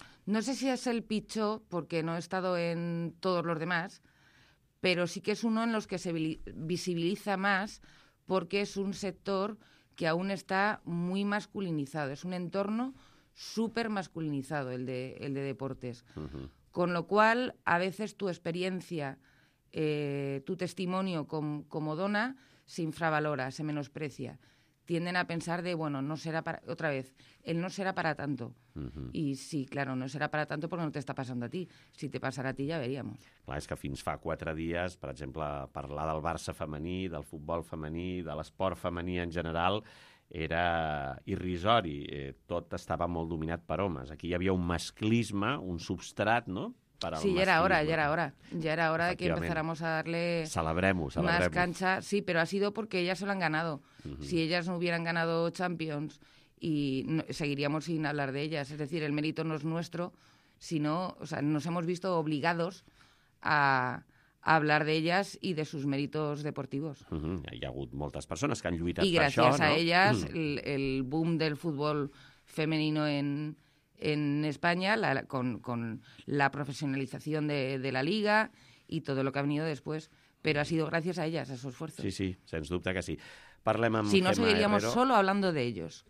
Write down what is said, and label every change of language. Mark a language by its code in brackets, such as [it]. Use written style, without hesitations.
[ca] No sé si és el pitjor, perquè no he estat en tots els demás, però sí que és [es] uno en los que se [ca] visibilitza més, perquè és un sector que aún està [es] muy masculinizado. [ca] És un entorn... [es] súper masculinizado el de deportes. Uh-huh. Con lo cual, a veces tu experiencia, tu testimonio como dona, se infravalora, se menosprecia. Tienden a pensar de, bueno, no será para... Otra vez, él no será para tanto. Uh-huh. Y sí, claro, no será para tanto porque no te está pasando a ti. Si te pasara a ti, ya veríamos. [ca] Clar, és que fins fa 4 dies, per exemple, parlar del Barça femení, del futbol femení, de l'esport femení en general... era irrisori, tot estava molt dominat per homes. Aquí hi havia un masclisme, un substrat, no? Per al sí, ja era hora, ja era hora. Ja era hora [es] de que empezáramos a darle... [ca] Celebrem-ho. [es] ...más cancha. Sí, pero ha sido porque ellas se lo han ganado. Uh-huh. Si ellas no hubieran ganado Champions, y no, seguiríamos sin hablar de ellas. Es decir, el mérito no es nuestro, sino, o sea, nos hemos visto obligados a hablar [ca] d'elles i [es] de sus méritos deportivos. Uh-huh. [ca] Hi ha hagut moltes persones que han lluitat per això, no? I gràcies a elles, el boom del futbol femenino [es] en España, con la profesionalización de la Liga y todo lo que ha venido después. Pero ha sido gracias a ellas, a su esfuerzo. [ca] Sí, sí, sens dubte que sí. Parlem amb [es] si no, seguiríamos solo hablando de ellos.